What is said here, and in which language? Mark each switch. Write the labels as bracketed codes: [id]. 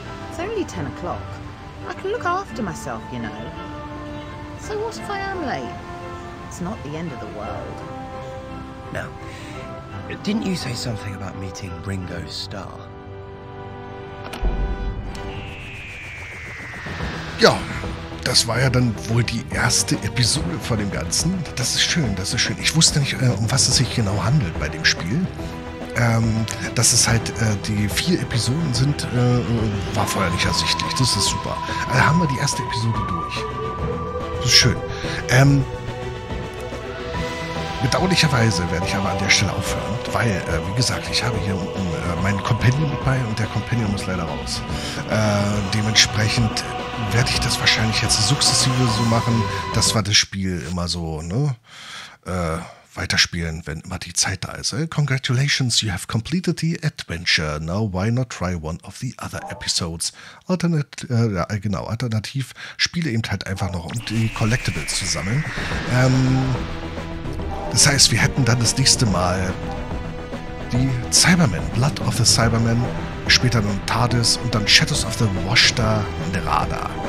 [en] It's only 10 o'clock. I can look after myself, you know. So what if I am late? It's not the end of the world. Now, didn't you say something about meeting Ringo Starr? [de] Ja, das war ja dann wohl die erste Episode von dem Ganzen. Das ist schön, das ist schön. Ich wusste nicht, um was es sich genau handelt bei dem Spiel. Dass es halt die 4 Episoden sind, war vorher nicht ersichtlich. Das ist super. Haben wir die erste Episode durch. Das ist schön. Bedauerlicherweise werde ich aber an der Stelle aufhören, weil, wie gesagt, ich habe hier unten meinen Companion mit bei und der Companion ist leider raus. Dementsprechend werde ich das wahrscheinlich jetzt sukzessive so machen, dass wir das Spiel immer so, ne, weiterspielen, wenn immer die Zeit da ist. [en] Congratulations, you have completed the adventure. Now, why not try one of the other episodes? [de] Alternativ spiele eben halt einfach noch, um die Collectibles zu sammeln. Das heißt, wir hätten dann das nächste Mal die Cybermen, Blood of the Cybermen, später dann TARDIS und dann Shadows of the Washta Nerada.